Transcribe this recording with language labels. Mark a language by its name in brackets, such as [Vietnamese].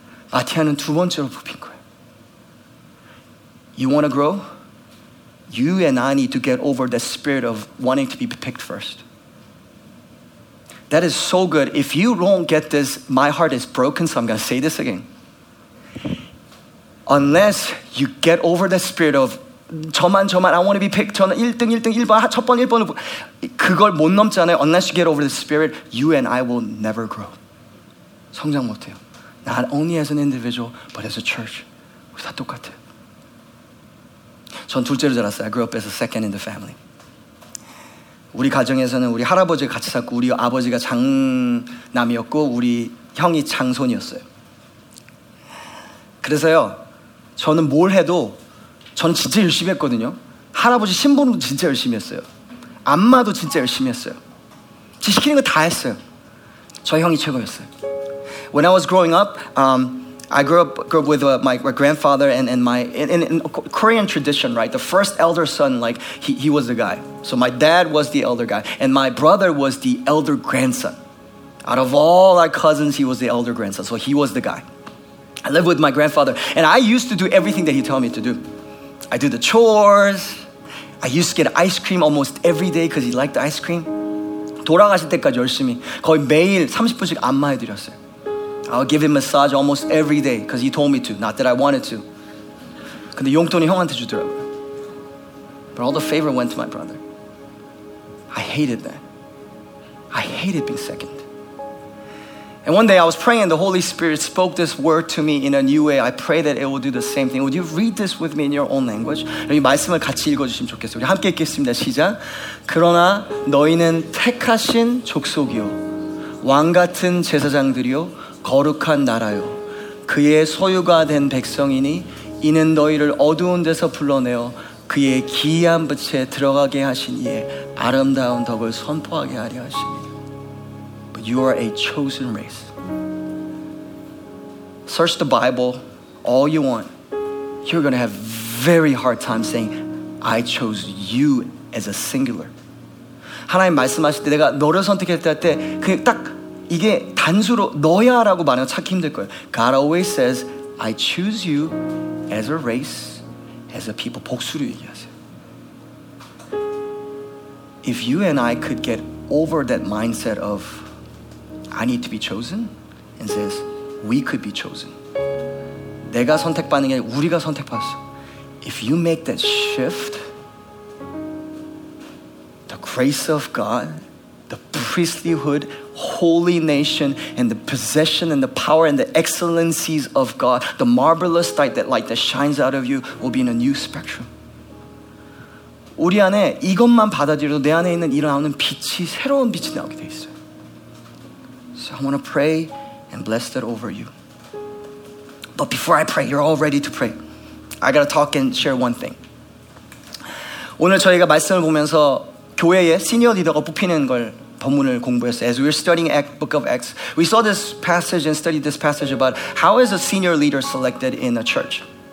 [Korean] 마티아는 두 번째로 뽑힌 거예요. [English] You want to grow? You and I need to get over the spirit of wanting to be picked first. That is so good. If you don't get this, my heart is broken, so I'm going to say this again. Unless you get over the spirit of [Korean] 저만 [English] I want to be picked, [Korean] 저는 1등, 1등, 1번, 첫 번, 1번을 그걸 못 넘잖아요. [English] Unless you get over the spirit, you and I will never grow. [Korean] 성장 못해요. [English] Not only as an individual, but as a church. [Korean] 우리 다 똑같아요. 전 둘째로 자랐어요. [English] I grew up as a second in the family. [Korean] 우리 가정에서는 우리 할아버지가 같이 살고 우리 아버지가 장남이었고 우리 형이 장손이었어요. 그래서요, 저는 뭘 해도 저는 진짜 열심히 했거든요. 할아버지 신분도 진짜 열심히 했어요. 안마도 진짜 열심히 했어요. 제 시키는 거 다 했어요. 저희 형이 최고였어요. [English] When I was growing up, I grew up with my grandfather and my in Korean tradition, right? The first elder son, like he was the guy. So my dad was the elder guy, and my brother was the elder grandson. Out of all our cousins, he was the elder grandson. So he was the guy. I lived with my grandfather, and I used to do everything that he told me to do. I do the chores. I used to get ice cream almost every day because he liked the ice cream. [Korean] 돌아가실 때까지 열심히 거의 매일 30분씩 안마해드렸어요. [English] I would give him massage almost every day because he told me to, not that I wanted to. [Korean] 근데 용돈이 형한테 주더라고요. [English] But all the favor went to my brother. I hated that. I hated being second. And one day I was praying and the Holy Spirit spoke this word to me in a new way. I pray that it will do the same thing. Would you read this with me in your own language? [Korean] 이 말씀을 같이 읽어주시면 좋겠어요. 우리 함께 읽겠습니다. 시작. 그러나 너희는 택하신 족속이요 왕같은 제사장들이요 거룩한 나라요 그의 소유가 된 백성이니 이는 너희를 어두운 데서 불러내어 그의 기이한 빛에 들어가게 하신 이에 아름다운 덕을 선포하게 하려 하십니다. [English] But you are a chosen race. Search the Bible all you want. You're going to have very hard time saying I chose you as a singular. [Korean] 하나님 말씀하실 때 내가 너를 선택했을 때 그냥 딱 이게 단수로 너야라고 말하는 거 찾기 힘들 거예요. [English] God always says, I choose you as a race, as a people. [Korean] 복수로 얘기하세요. [English] If you and I could get over that mindset of I need to be chosen and says we could be chosen. [Korean] 내가 선택받는 게 아니라 우리가 선택받았어. [English] If you make that shift, the grace of God, the priestlyhood, holy nation and the possession and the power and the excellencies of God, the marvelous light that shines out of you will be in a new spectrum. [Korean] 우리 안에 이것만 받아들여도 내 안에 있는 일어나는 빛이 새로운 빛이 나오게 돼 있어요. [English] So I want to pray and bless that over you. But before I pray, you're all ready to pray. I got to talk and share one thing. [Korean] 오늘 저희가 말씀을 보면서 교회의 시니어 리더가 뽑히는 걸 본문을 공부했어요. [English] As we were studying Act, Book of Acts, we saw this passage and studied this passage about how is a senior leader selected in a church.